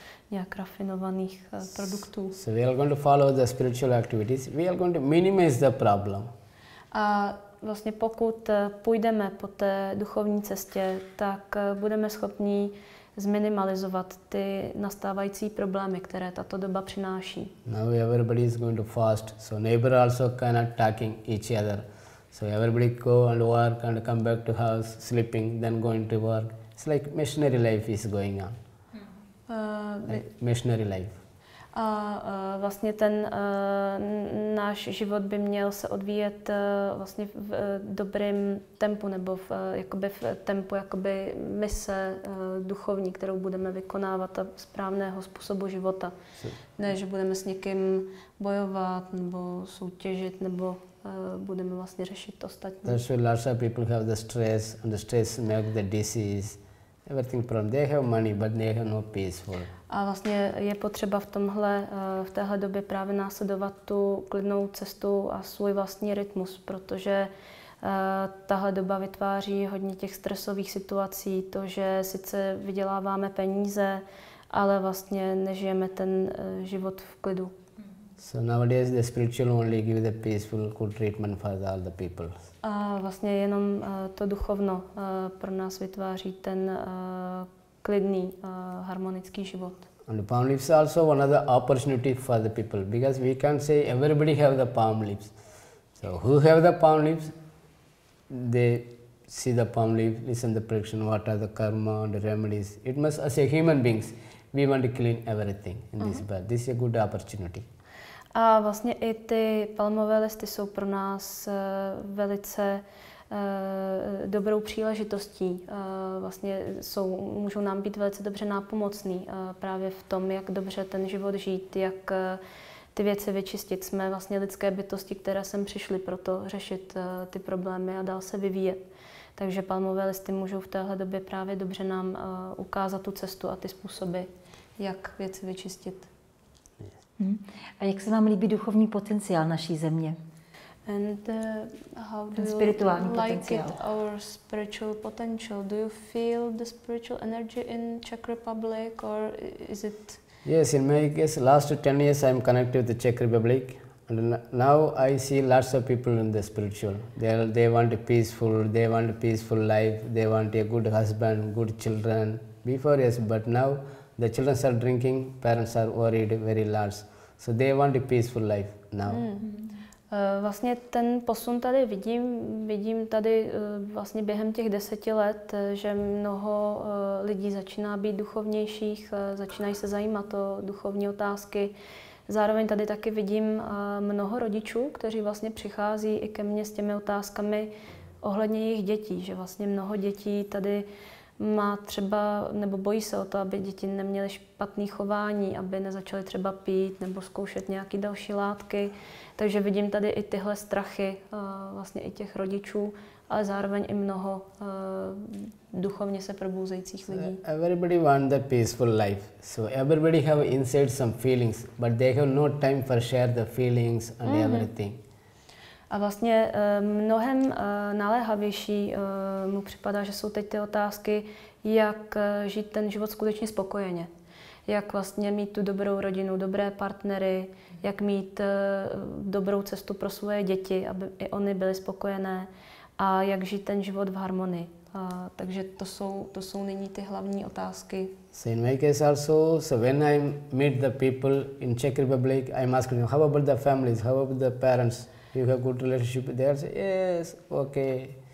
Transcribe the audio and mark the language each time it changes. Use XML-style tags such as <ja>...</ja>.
<cs>Jak rafinovaných produktů.</cs> <en>So we are going to follow the spiritual activities. We are going to minimize the problem.</en> <cs>A vlastně pokud půjdeme po té duchovní cestě, tak budeme schopni zminimalizovat ty nastávající problémy, které tato doba přináší.</cs> <en>Now everybody is going to fast, so neighbor also kind of attacking each other. So everybody go and work and come back to house sleeping, then going to work. It's like missionary life is going on. Like missionary life.</en> <cs>A vlastně ten náš život by měl se odvíjet vlastně v dobrým tempu nebo v, jakoby v tempu jakoby mise duchovní, kterou budeme vykonávat a správného způsobu života. Ne, že budeme s někým bojovat nebo soutěžit nebo budeme vlastně řešit ostatní.</cs> <en>That's why lots of people have the stress and the stress make the disease. Everything problem. They have money, but they have no peaceful.</en> <cs>A vlastně je potřeba v tomhle, v téhle době právě následovat tu klidnou cestu a svůj vlastní rytmus, protože tahle doba vytváří hodně těch stresových situací, to, že sice vyděláváme peníze, ale vlastně nežijeme ten život v klidu.</cs> <en>So nowadays the spiritual only give the peaceful good treatment for all the people.</en> <cs>A vlastně jenom to duchovno pro nás vytváří ten klidný harmonický život.</cs> <en>And the palm leaves also another opportunity for the people because we can say everybody have the palm leaves. So who have the palm leaves, they see the palm leaves, listen to the prediction, what are the karma and the remedies. It must, as a human beings, we want to clean everything in this world. This is a good opportunity.</en> <cs>A vlastně i ty palmové listy jsou pro nás velice dobrou příležitostí. Vlastně jsou, můžou nám být velice dobře nápomocný právě v tom, jak dobře ten život žít, jak ty věci vyčistit. Jsme vlastně lidské bytosti, které sem přišly proto řešit ty problémy a dál se vyvíjet. Takže palmové listy můžou v téhle době právě dobře nám ukázat tu cestu a ty způsoby, jak věci vyčistit. A jak se vám líbí duchovní potenciál naší země?</cs> <en>And how do you like it, our spiritual potential? Do you feel the spiritual energy in Czech Republic or is it? Yes, in my case, last 10 years I'm connected with the Czech Republic and now I see lots of people in the spiritual. They want a peaceful, they want a peaceful life, they want a good husband, good children. Before yes, but now the children are drinking, parents are worried very large. So they want a peaceful life now.</en> <cs>Vlastně ten posun tady vidím tady vlastně během těch 10 let, že mnoho lidí začíná být duchovnějších, začínají se zajímat o duchovní otázky. Zároveň tady taky vidím mnoho rodičů, kteří vlastně přichází i ke mně s těmi otázkami ohledně jejich dětí, že vlastně mnoho dětí tady má třeba, nebo bojí se o to, aby děti neměly špatné chování, aby nezačaly třeba pít nebo zkoušet nějaké další látky. Takže vidím tady i tyhle strachy vlastně i těch rodičů, ale zároveň i mnoho duchovně se probouzejících lidí.</cs> <en>So everybody want the peaceful life. So everybody have inside some feelings, but they have no time for share the feelings and everything.</en> <cs>A vlastně mnohem naléhavější mu připadá, že jsou teď ty otázky, jak žít ten život skutečně spokojeně. Jak vlastně mít tu dobrou rodinu, dobré partnery, jak mít dobrou cestu pro svoje děti, aby i oni byly spokojené a jak žít ten život v harmonii. Takže to jsou nyní ty hlavní otázky.</cs> <en>So in my case also, so when I meet the people in Czech Republic, I'm asking them, how about the families, how about the parents? You have good relationship there, say, yes, okay.</en>